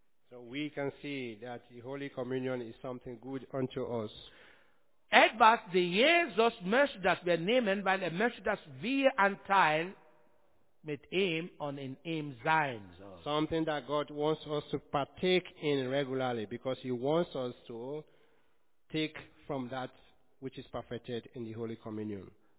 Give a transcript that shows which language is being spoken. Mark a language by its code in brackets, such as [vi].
[en] So we can see that the Holy Communion is something good unto us. [de] Etwas, die Jesus möchte, dass wir nehmen, weil möchte, dass wir ein Teil mit ihm und in ihm sein sollen. [en] Something that God wants us to partake in regularly, because he wants us to take from that which is perfected in the Holy Communion.